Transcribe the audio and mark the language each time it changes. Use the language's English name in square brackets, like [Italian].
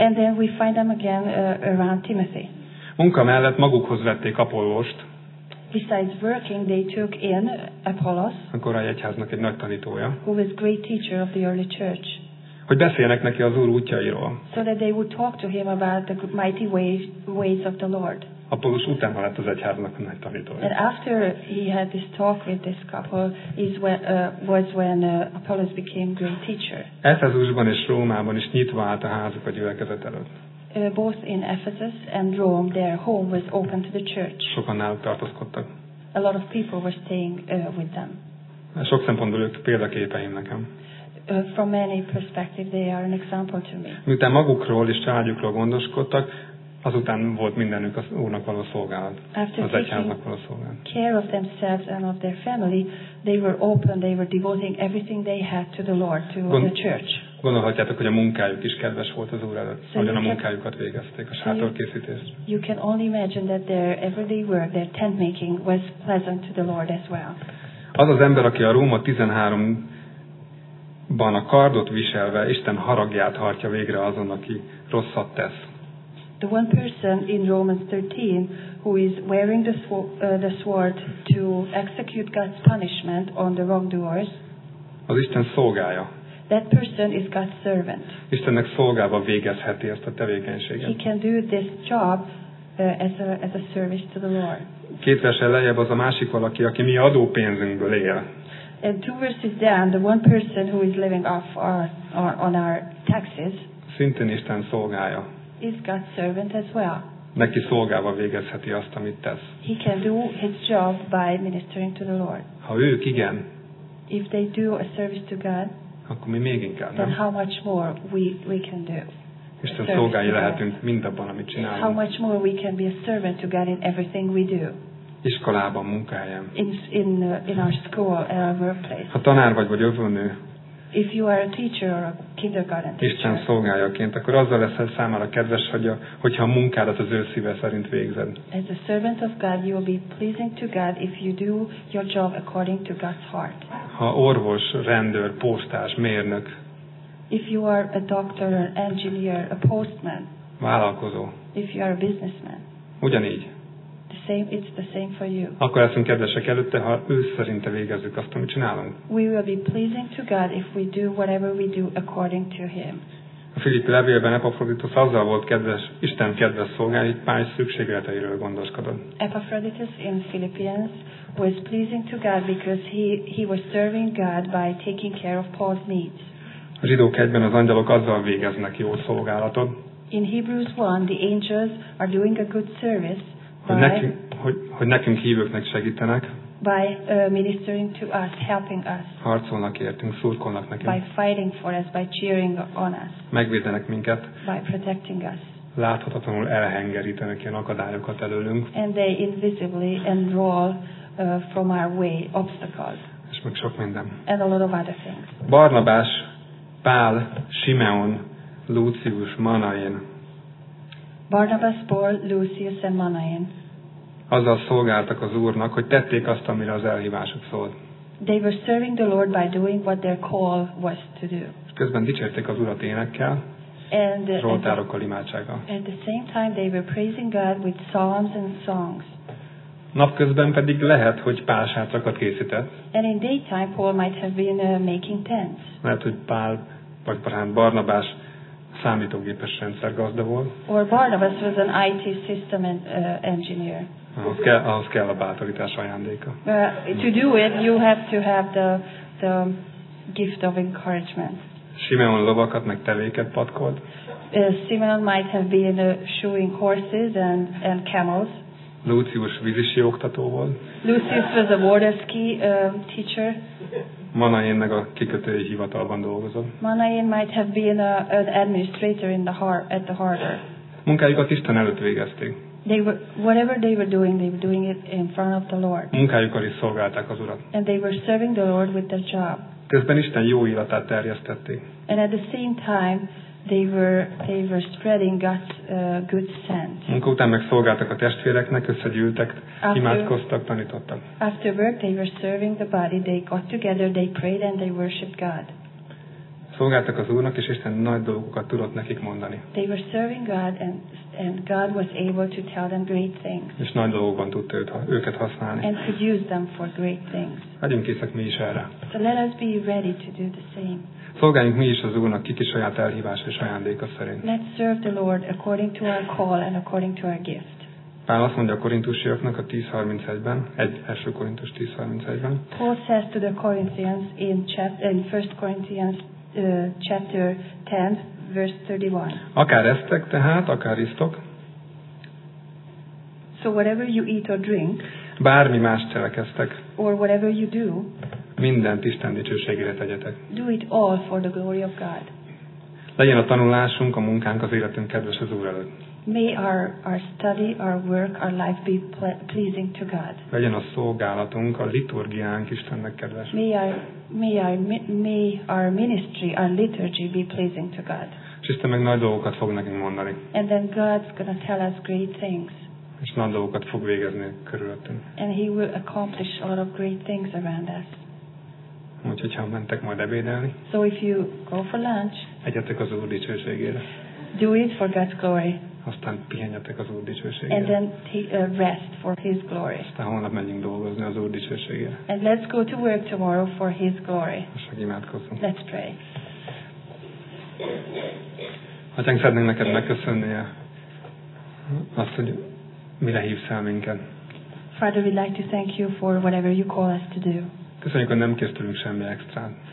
[English] And then we find them again around Timothy. [Hungarian] Munka mellett magukhoz vették Apollóst. [English] Besides working, they took in Apollos, [Hungarian] a korai egyháznak egy nagy tanítója, [English] who was great teacher of the early church, [Hungarian] hogy beszéljenek neki az Úr útjairól. [English] So that they would talk to him about the mighty ways of the Lord. [Hungarian] Apollos után lett az egyháznak a nagy tanítója. [English] And after he had this talk with this couple, was when Apollos became great teacher. [Hungarian] Efezusban és Rómában is nyitva állt a házuk a gyülekezet előtt. [English] Both in Ephesus and Rome, their home was open to the church. [Hungarian] Sokan náluk tartózkodtak. [English] A lot of people were staying with them. [Hungarian] Sok szempontból ők példaképeim nekem. [English] From many perspectives, they are an example to me. [Hungarian] Miután magukról és családjukról gondoskodtak, azután volt mindenük az Úrnak való szolgálat, [English] after [Hungarian] az egyháznak való szolgálat. [English] Care of themselves and of their family, they were open, they were devoting everything they had to the Lord, to the church. [Hungarian] Gondolhatjátok, hogy a munkájuk is kedves volt az Úr előtt, ahogyan a munkájukat végezték, a sátorkészítést. [English] You can only imagine that their everyday work, their tent making was pleasant to the Lord as well. [Hungarian] Az az ember, aki a Róma 13-ban a kardot viselve Isten haragját hajtja végre azon, aki rosszat tesz. [English] The one person in Romans 13 who is wearing the sword to execute God's punishment on the wrongdoers. [Hungarian] Az Isten szolgája. [English] That person is God's servant. [Hungarian] Istennek szolgálva végezheti ezt a tevékenységet. [English] He can do this job as a service to the Lord. [Hungarian] Két verssel lejjebb az a másik valaki, aki mi adópénzünkből él. [English] And two verses down, the one person who is living off on our taxes. [Hungarian] Szintén Isten szolgája. [English] Is God's servant as well. [Hungarian] Neki szolgálva végezheti azt, amit tesz. [English] He can do his job by ministering to the Lord. [Hungarian] Ha ők igen. [English] If they do a service to God. [Hungarian] Akkor mi még inkább, [English] then [Hungarian] nem? [English] How much more we can do. [Hungarian] Isten szolgái lehetünk mindabban, amit csinálunk. [English] How much more we can be a servant to God in everything we do. [Hungarian] Iskolában, munkahelyen. [English] In our school, in our workplace. [Hungarian] Ha tanár vagy övönő. [English] If you are a teacher or a kindergarten teacher. [Hungarian] Isten szolgájaként, akkor azzal leszel számára kedves, hogyha a munkádat az ő szíve szerint végzed. [English] As a servant of God, you will be pleasing to God if you do your job according to God's heart. [Hungarian] Ha orvos, rendőr, postás, mérnök. [English] If you are a doctor, an engineer, a postman. [Hungarian] Vállalkozó. [English] If you are a businessman. [Hungarian] Ugyanígy. [English] It's the same for you. [Hungarian] Akkor leszünk kedvesek előtte, ha ő szerinte végezzük azt, amit csinálunk. [English] We will be pleasing to God if we do whatever we do according to Him. [Hungarian] A Filippi levélben Epafroditus azzal volt kedves, Isten kedves szolgálja, hogy Pál szükségleteiről gondoskodott. [English] Epafroditus in Philippians was pleasing to God because he was serving God by taking care of Paul's needs. [Hungarian] A zsidók egyben az angyalok azzal végeznek jó szolgálatot. [English] In Hebrews 1, the angels are doing a good service. [Hungarian] Hogy nekünk hívőknek segítenek. [English] By ministering to us, helping us. [Hungarian] Harcolnak értünk, szurkolnak nekünk. [English] By fighting for us, by cheering on us. [Hungarian] Megvédenek minket. [English] By protecting us. [Hungarian] Láthatatlanul elhengerítenek ilyen akadályokat előlünk. [English] And they invisibly enroll from our way obstacles. [Hungarian] És meg sok minden. [English] And a lot of other things. [Hungarian] Barnabás, Pál, Simeon, Lucius, Manaén. [English] Barnabas, Paul, Lucius and Manaén. [Hungarian] Azzal szolgáltak az Úrnak, hogy tették azt, amire az elhívásuk szólt. [English] They were serving the Lord by doing what their call was to do. [Hungarian] Közben dicsérték az Urat énekkel, zsoltárokkal, imádsággal. [English] At the same time they were praising God with psalms and songs. [Hungarian] Napközben pedig lehet, hogy Pál sátrakat készített. [English] And in daytime Paul might have been making tents. [Hungarian] Lehet, hogy Pál vagy Barnabás számítógépes rendszer gazda volt. [English] Or Barnabas was an IT system and, engineer. [Hungarian] Ahhoz kell a bátorítás ajándéka. [English] To do it, you have to have the gift of encouragement. [Hungarian] Simeon lovakat meg tevéket patkolt. [English] Simeon might have been shoeing horses and camels. [Hungarian] Lucius vízisi oktató volt. [English] Lucius was a water ski teacher. [Hungarian] Manaén meg a kikötői hivatalban dolgozott. [English] Manaén might have been an administrator in the at the harbor. [Hungarian] Munkájukat Isten előtt végezték. [English] They were, whatever they were doing it in front of the Lord. [Hungarian] Munkájukkal is szolgálták az Urat. [English] And they were serving the Lord with their job. [Hungarian] Közben Isten jó illatát terjesztették. [English] And at the same time, they were spreading God's good scent. [Hungarian] Munkután meg szolgáltak a testvéreknek, összegyűltek, imádkoztak, tanítottak. [English] After work, they were serving the body. They got together, they prayed, and they worshiped God. [Hungarian] Szolgáltak az Úrnak, és Isten nagy dolgokat tudott nekik mondani. [English] They were serving God, and God was able to tell them great things. [Hungarian] És nagy dolgokban tudta őket használni. [English] And could use them for great things. [Hungarian] Legyünk készek mi is erre. [English] So let us be ready to do the same. [Hungarian] Szolgáljunk mi is az Úrnak kiki saját elhívás és ajándéka szerint. [English] Let's serve the Lord according to our call and according to our gift. [Hungarian] Pál azt mondja a korintusiaknak a 10:31-ben, első Korintus 10:31-ben. [English] Paul says to the Corinthians in 1 Corinthians chapter 10, verse 31. [Hungarian] Akár esztek tehát, akár isztok. [English] So whatever you eat or drink, [Hungarian] bármi más cselekeztek, [English] or whatever you do, [Hungarian] mindent Isten dicsőségére tegyetek. [English] Do it all for the glory of God. [Hungarian] Legyen a tanulásunk, a munkánk, az életünk kedves az Úr előtt. [English] May our study, our work, our life be pleasing to God. [Hungarian] Legyen a szolgálatunk, a liturgiánk Istennek kedves. [English] May our ministry, our liturgy be pleasing to God. [Hungarian] És Isten meg nagy dolgokat fog nekünk mondani. [English] And then God's gonna tell us great things. [Hungarian] És nagy dolgokat fog végezni körülöttünk. [English] And he will accomplish a lot of great things around us. [Hungarian] Úgyhogy ha mentek majd ebédelni. [English] So if you go for lunch. [Hungarian] Egyetek az Úr dicsőségére. [English] Do it for God's glory. [Hungarian] Aztán pihenjetek az Úr dicsőségére. [English] And then rest for His glory. [Hungarian] Aztán holnap menjünk dolgozni az Úr dicsőségére. [English] And let's go to work tomorrow for His glory. [Hungarian] Most meg imádkozzunk. [English] Let's pray. [Hungarian] Atyánk, szeretnénk neked megköszönni azt, hogy mire hívsz el minket. [English] Father, we'd like to thank you for whatever you call us to do. [Hungarian] Köszönjük, hogy nem kérsz tőlünk semmi extrát.